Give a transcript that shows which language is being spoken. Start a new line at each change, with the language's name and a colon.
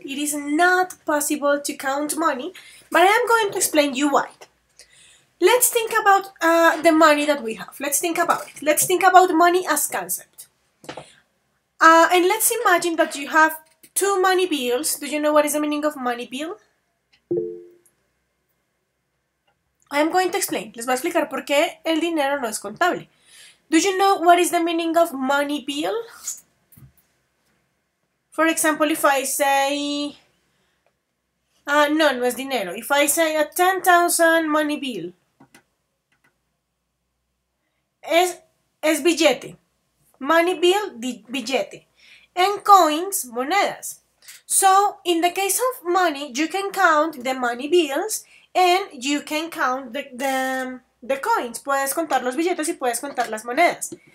English: It is not possible to count money, but I am going to explain you why. Let's think about the money that we have. Let's think about it. Let's think about money as concept. And let's imagine that you have 2 money bills. Do you know what is the meaning of money bill? I am going to explain.
Spanish: Les voy a explicar por qué el dinero no es contable.
English: Do you know what is the meaning of money bill? For example, if I say,
Spanish: no es dinero.
English: If I say a 10,000 money bill,
Spanish: es billete.
English: Money bill, billete. And coins, monedas. So, in the case of money, you can count the money bills and you can count the coins.
Spanish: Puedes contar los billetes y puedes contar las monedas.